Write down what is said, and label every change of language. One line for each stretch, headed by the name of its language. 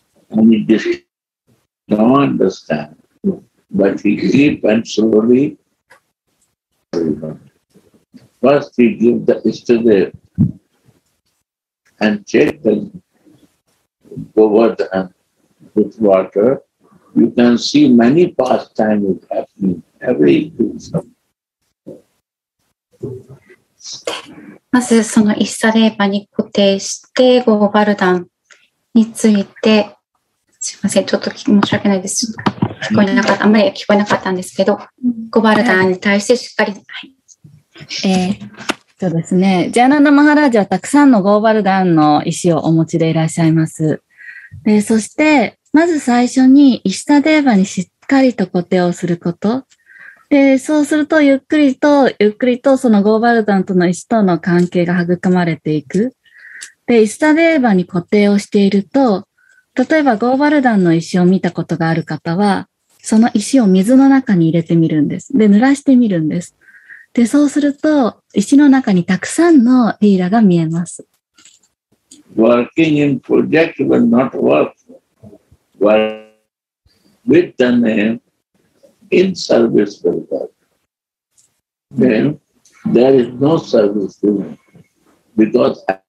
English: And he don't understand, but he keep and slowlyFirst, he give the istadev and check the Govardhan with water. You can see many pastimes happening every day.
Japanese: まずそのイスタデーバに固定してゴーバルダンについて、すいませんちょっと申し訳ないです。聞こえなかった、あんまり聞こえなかったんですけど、ゴバルダーに対してしっかり、はい。そうですね。ジャナナ・マハラージはたくさんのゴーバルダーの石をお持ちでいらっしゃいます。で、そして、まず最初にイシタデーバにしっかりと固定をすること。で、そうすると、ゆっくりとそのゴーバルダーとの石との関係が育まれていく。で、イシタデーバに固定をしていると、例えば、ゴーバルダンの石を見たことがある方は、その石を水の中に入れてみるんです。で、濡らしてみるんです。で、そうすると、石の中にたくさんのリーラが見えます。
English: Working in project will not work. Work with the name in service will work. Then there is no service to me because